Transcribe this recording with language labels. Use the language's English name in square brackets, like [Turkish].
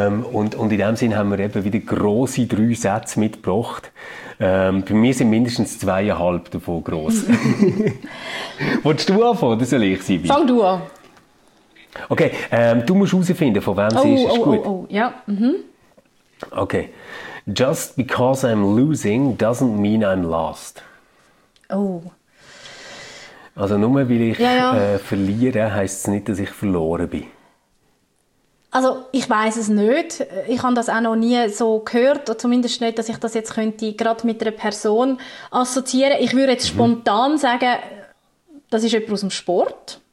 [German] Und in dem Sinn haben wir eben wieder grosse drei Sätze mitgebracht. Bei mir sind mindestens 2,5 davon gross. Wolltest du anfangen, oder soll ich sein? Fang du an. Okay, du musst herausfinden, von wem sie ist. Okay. [English] Just because I'm losing doesn't mean I'm lost. Oh. [German] Also nur weil ich verliere, heisst es nicht, dass ich verloren bin. Also ich weiss es nicht. Ich habe das auch noch nie so gehört. Zumindest nicht, dass ich das jetzt könnte gerade mit einer Person assoziieren. Ich würde jetzt spontan sagen, das ist jemand aus dem Sport.